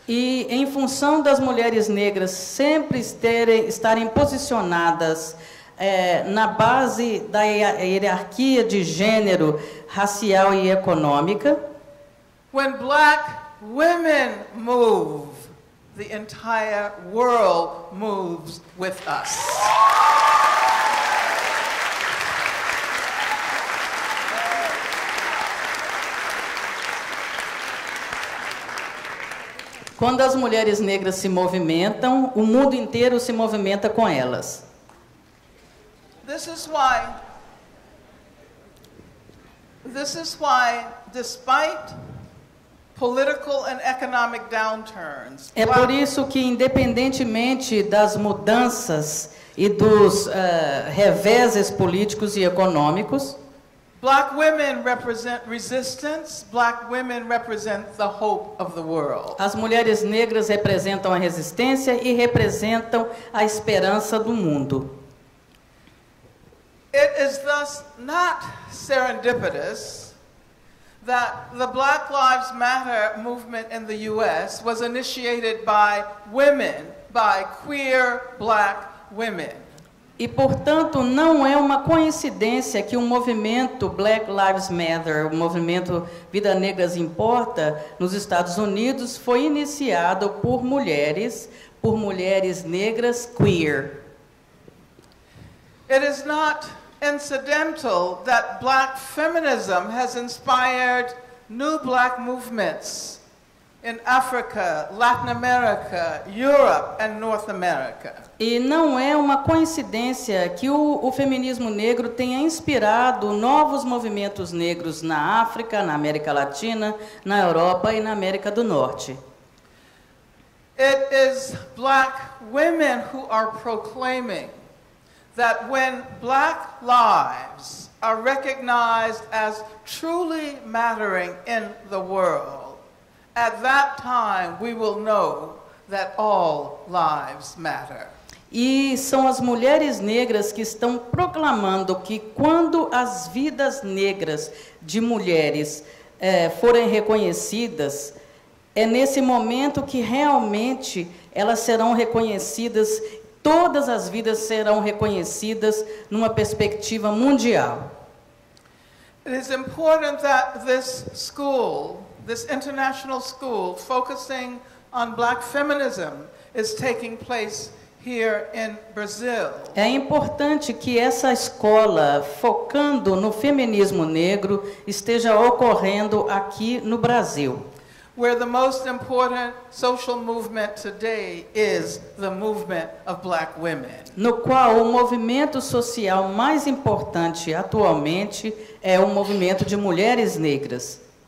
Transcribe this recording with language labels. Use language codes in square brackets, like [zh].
[pt] E em função das mulheres negras sempre estarem posicionadas na base da hierarquia de gênero, racial e econômica. [en] When black women move, the entire world moves with us. [pt] Quando as mulheres negras se movimentam, o mundo inteiro se movimenta com elas. [en] This is why, despite political and economic downturns, [pt] é por isso que, independentemente das mudanças e dos reveses políticos e econômicos, [en] Black women represent resistance. Black women represent the hope of the world. [pt] As mulheres negras representam a resistência e representam a esperança do mundo. [en] It is thus not serendipitous that the Black Lives Matter movement in the US was initiated by women, by queer black women. [pt] E, portanto, não é uma coincidência que o movimento Black Lives Matter, o movimento Vida Negras Importa, nos Estados Unidos, foi iniciado por mulheres negras queer. [en] It is not incidental that black feminism has inspired new black movements in Africa, Latin America, Europe, and North America. [pt] E não é uma coincidência que o feminismo negro tenha inspirado novos movimentos negros na África, na América Latina, na Europa e na América do Norte. [en] It is black women who are proclaiming that when black lives are recognized as truly mattering in the world, at that time we will know that all lives matter. [pt] E são as mulheres negras que estão proclamando que quando as vidas negras de mulheres forem reconhecidas, é nesse momento que realmente elas serão reconhecidas, todas as vidas serão reconhecidas numa perspectiva mundial. [en] It is important that this school, this international school focusing on black feminism is taking place here in Brazil. [pt] É importante que essa escola focando no feminismo negro esteja ocorrendo aqui no Brasil. [en] Where the most important social movement today is the movement of black women. [pt] No qual o movimento social mais importante atualmente é o movimento de mulheres negras.